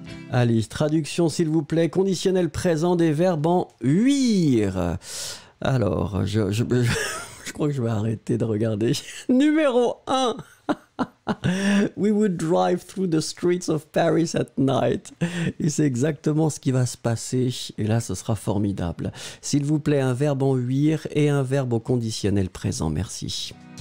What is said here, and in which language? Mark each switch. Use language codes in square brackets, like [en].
[fr] Allez, traduction s'il vous plaît, conditionnel présent des verbes en « huir ». Alors, je crois que je vais arrêter de regarder. Numéro 1. [en] We would drive through the streets of Paris at night. [fr] Et c'est exactement ce qui va se passer. Et là, ce sera formidable. S'il vous plaît, un verbe en « huir » et un verbe au conditionnel présent. Merci.